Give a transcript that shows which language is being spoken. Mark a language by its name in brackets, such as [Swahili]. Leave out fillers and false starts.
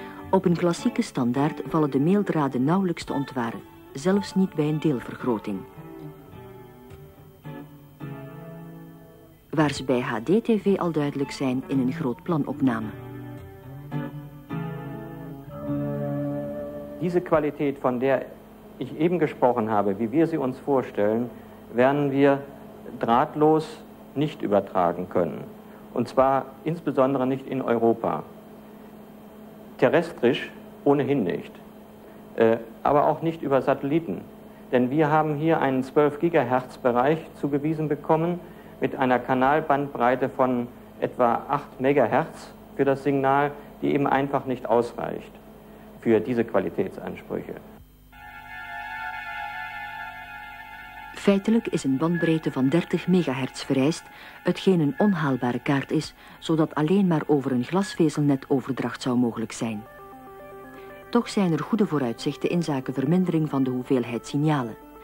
[Dutch] Op een klassieke standaard vallen de meeldraden nauwelijks te ontwaren, zelfs niet bij een deelvergroting. waar ze bij HD-TV al duidelijk zijn in een groot planopname. [German] Diese Qualität, von der ich eben gesprochen habe, wie wir sie uns vorstellen, werden wir drahtlos nicht übertragen können. Und zwar insbesondere nicht in Europa. Terrestrisch ohnehin nicht. Aber auch nicht über Satelliten. Denn wir haben hier einen 12 Gigahertz Bereich zugewiesen bekommen mit einer Kanalbandbreite von etwa 8 Megahertz für das Signal, die eben einfach nicht ausreicht für diese Qualitätsansprüche. [Dutch] Feitelijk is een bandbreedte van 30 megahertz vereist, hetgeen een onhaalbare kaart is, zodat alleen maar over een glasvezelnet overdracht zou mogelijk zijn. Toch zijn er goede vooruitzichten inzake vermindering van de hoeveelheid signalen.